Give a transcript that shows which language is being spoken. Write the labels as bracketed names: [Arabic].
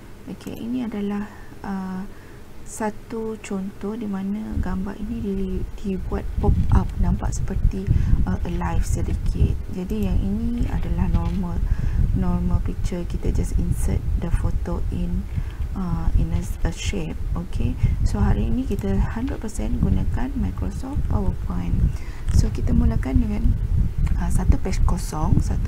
[Malay] Okay, ini adalah satu contoh di mana gambar ini dibuat pop up, nampak seperti alive sedikit. Jadi yang ini adalah [English] normal picture. [Malay] Kita [English] just insert the photo in a shape. [Malay] Okay, so hari ini kita 100% gunakan Microsoft PowerPoint. So kita mulakan dengan satu page kosong.